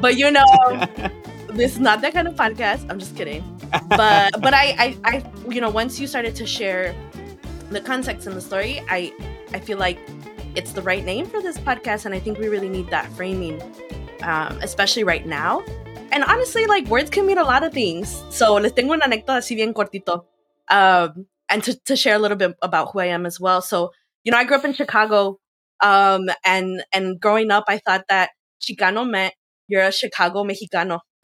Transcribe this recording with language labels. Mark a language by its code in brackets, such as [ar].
[en] But you know, this is not that kind of podcast. I'm just kidding. But I you know, once you started to share the context and the story, I feel like it's the right name for this podcast, and I think we really need that framing, especially right now. And honestly, like, words can mean a lot of things. [es] So les tengo una anécdota así bien cortito. [en] And to share a little bit about who I am as well. So, you know, I grew up in Chicago, and growing up, I thought that Chicano meant you're a Chicago Mexicano.